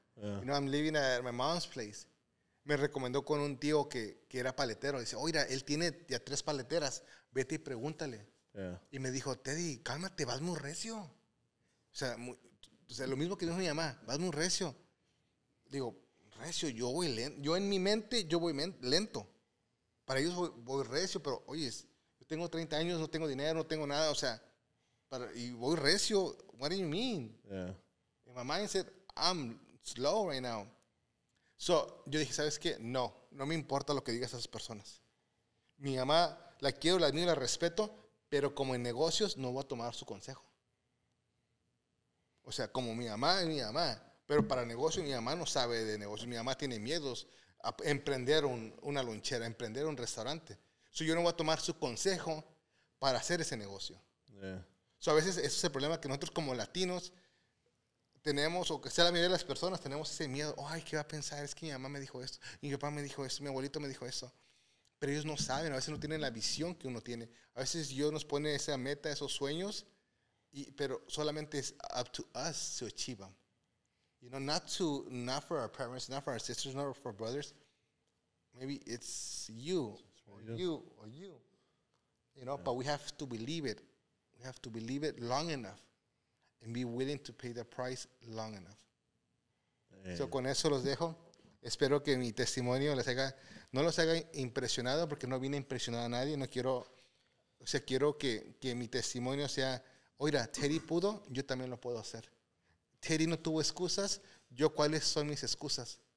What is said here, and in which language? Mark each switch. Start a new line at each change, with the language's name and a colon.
English: Yeah. You know, I'm living at my mom's place.
Spanish: Me recomendó con un tío que era paletero. Dice, oiga, él tiene ya 3 paleteras, vete y pregúntale.
English: Yeah.
Spanish: Y me dijo, Teddy, cálmate, vas muy recio. O sea, lo mismo que dijo mi mamá, vas muy recio. Digo, recio, yo voy lento. Yo en mi mente, yo voy lento. Para ellos voy recio, pero oye, yo tengo 30 años, no tengo dinero, no tengo nada, o sea, para, y voy recio.
English: What do you mean? Yeah. And my mind said, I'm slow right now.
Spanish: So, yo dije, ¿sabes qué? No, no me importa lo que digan esas personas. Mi mamá, la quiero, la admiro, la respeto, pero como en negocios, no voy a tomar su consejo. O sea, como mi mamá es mi mamá, pero para negocios, mi mamá no sabe de negocios. Mi mamá tiene miedos a emprender una lonchera, a emprender un restaurante. So, yo no voy a tomar su consejo para hacer ese negocio.
English: Yeah.
Spanish: So, a veces, ese es el problema que nosotros como latinos tenemos, o que sea la mayoría de las personas, tenemos ese miedo. Ay, ¿qué va a pensar? Es que mi mamá me dijo esto, mi papá me dijo esto, mi abuelito me dijo eso. Pero ellos no saben, a veces no tienen la visión que uno tiene. A veces Dios nos pone esa meta, esos sueños, y, pero solamente es
English: up to us to achieve them. You know, not for our parents, not for our sisters, not for our brothers. Maybe it's you, or you, or you. You know, yeah. But we have to believe it. We have to believe it long enough. And be willing to pay the price long enough.
Spanish: So, con eso los dejo. Espero que mi testimonio les haga, no los haga impresionado, porque no vine impresionado a nadie. No quiero, o sea, quiero que mi testimonio sea, oiga, Teddy pudo, yo también lo puedo hacer. Teddy no tuvo excusas, yo cuáles son mis excusas.